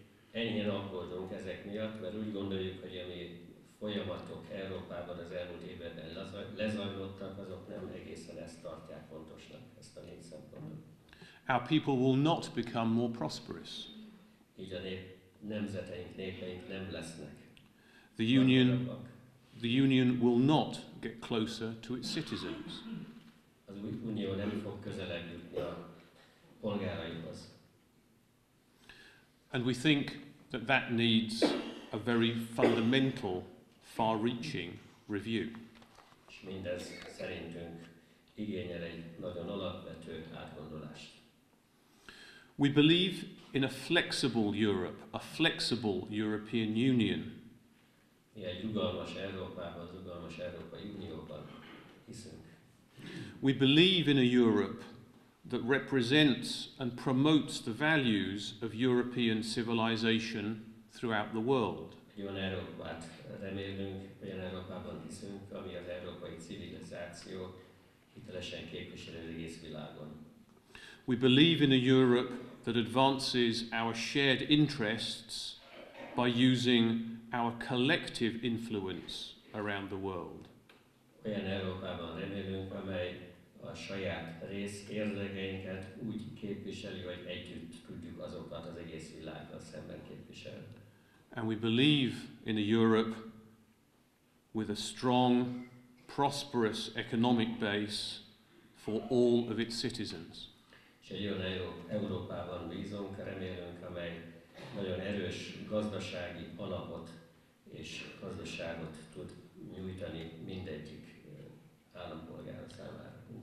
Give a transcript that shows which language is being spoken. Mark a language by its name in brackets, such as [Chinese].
[Hungarian] Ennyien aggódunk ezek miatt, mert úgy gondoljuk, hogy ami folyamatok Európában az elmúlt években lezajlottak, azok nem egészen ezt tartják fontosnak, ezt a négy szempontot. [English] Our people will not become more prosperous. [Hungarian] Így a nemzeteink, népeink nem lesznek. [English] The union will not get closer to its citizens. [Hungarian] Az új unió nem fog közelebb jutni a polgáraihoz. [English] And we think that needs a very fundamental, far-reaching review. [Hungarian] És mindez szerintünk igényel egy nagyon alapvető átgondolást. [English] We believe in a flexible Europe, a flexible European Union. [Hungarian] Mi egy rugalmas Európában, rugalmas Európai Unióban hiszünk. [English] We believe in a Europe that represents and promotes the values of European civilization throughout the world. [Hungarian] Egy olyan Európát remélünk, olyan Európában hiszünk, ami az európai civilizáció hitelesen képviseli az egész világon. [English] We believe in a Europe that advances our shared interests by using our collective influence around the world. [Hungarian] Olyan Európában remélünk, amely a saját rész érdekeinket úgy képviseli, hogy együtt tudjuk azokat az egész világgal szemben képviselni. [English] And we believe in a Europe with a strong, prosperous economic base for all of its citizens. [Hungarian] És egy olyan Európában bízunk, remélünk, amely nagyon erős gazdasági alapot és gazdaságot tud nyújtani mindegyik állampolgár számára.